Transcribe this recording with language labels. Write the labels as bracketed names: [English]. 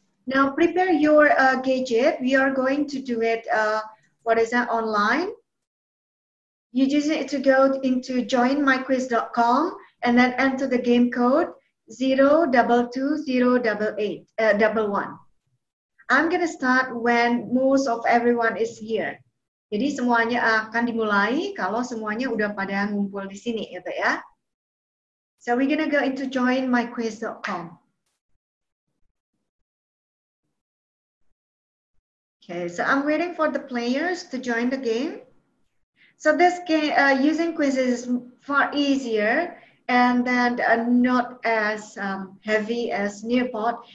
[English] Now prepare your gadget. We are going to do it, online. You just need to go into joinmyquiz.com and then enter the game code 0220811. I'm going to start when most of everyone is here. [Indonesian] Jadi semuanya akan dimulai kalau semuanya udah pada ngumpul di sini gitu ya. [English] So we're going to go into joinmyquiz.com. Okay, so I'm waiting for the players to join the game. So this game, using quizzes is far easier and then not as heavy as Nearpod.